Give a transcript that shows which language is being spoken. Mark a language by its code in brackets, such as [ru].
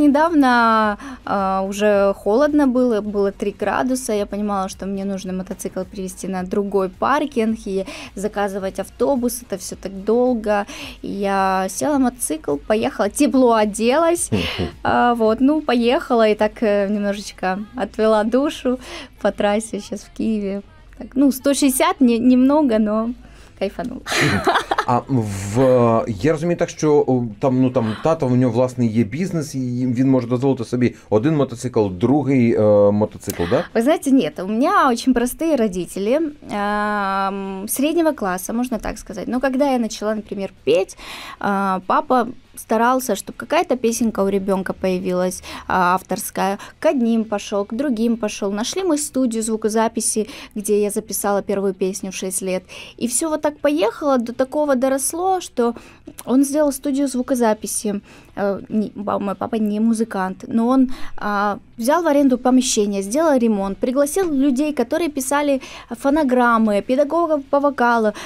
[ru] Недавно уже холодно было, было 3 градуса, я понимала, что мне нужно мотоцикл привезти на другой паркинг и заказывать автобус, это все так долго. Я села мотоцикл, поехала, тепло оделась, вот, ну, поехала и так немножечко отвела душу по трассе сейчас в Киеве. Так, ну, 160, немного, но... Кайфанула. [uk] А я розумію так, що там, ну, там тато, у нього власний є бізнес, і він може дозволити собі один мотоцикл, другий мотоцикл, да? Ви знаєте, ні, у мене дуже прості батьки, середнього класу, можна так сказати. Ну, коли я почала, наприклад, петь, [ru] папа старался, чтобы какая-то песенка у ребенка появилась, авторская. К одним пошел, к другим пошел. Нашли мы студию звукозаписи, где я записала первую песню в 6 лет. И все вот так поехало, до такого доросло, что он сделал студию звукозаписи. Мой папа не музыкант, но он взял в аренду помещение, сделал ремонт, пригласил людей, которые писали фонограммы, педагогов по вокалу.